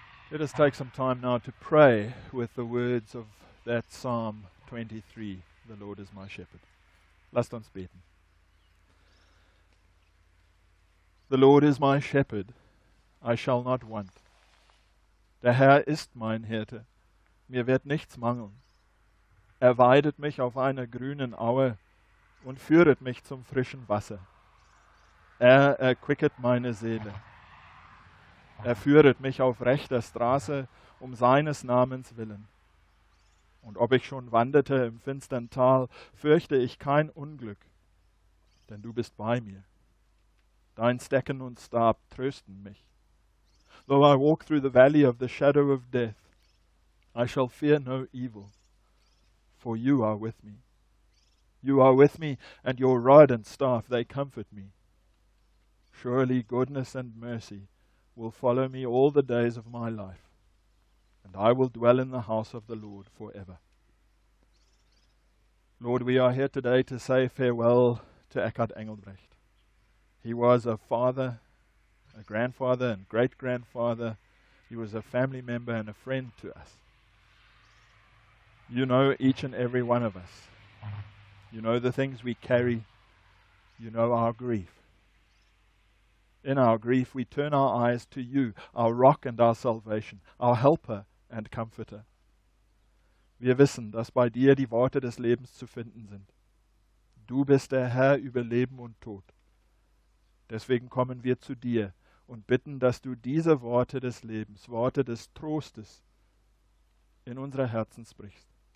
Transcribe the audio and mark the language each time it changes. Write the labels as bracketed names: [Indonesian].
[English] Let us take some time now to pray with the words of that Psalm 23, "The Lord is my shepherd." [German] Lasst uns beten. [English] The Lord is my shepherd, I shall not want. [German] Der Herr ist mein Hirte, mir wird nichts mangeln. Weidet mich auf einer grünen Aue und führet mich zum frischen Wasser. Erquicket meine Seele. Führet mich auf rechter Straße um seines Namens willen. Und ob ich schon wanderte im finstern Tal, fürchte ich kein Unglück, denn du bist bei mir. Dein Stecken und Stab trösten mich. [English] Though I walk through the valley of the shadow of death, I shall fear no evil, for you are with me. You are with me, and your rod and staff, they comfort me. Surely goodness and mercy will follow me all the days of my life, and I will dwell in the house of the Lord forever. Lord, we are here today to say farewell to Eckard Engelbrecht. He was a father, a grandfather, and great-grandfather. He was a family member and a friend to us. You know each and every one of us. You know the things we carry. You know our grief. In our grief, we turn our eyes to you, our rock and our salvation, our helper and comforter. [German] Wir wissen, dass bei dir die Worte des Lebens zu finden sind. Du bist der Herr über Leben und Tod. Deswegen kommen wir zu dir und bitten, dass du diese Worte des Lebens, Worte des Trostes, in unsere Herzen sprichst.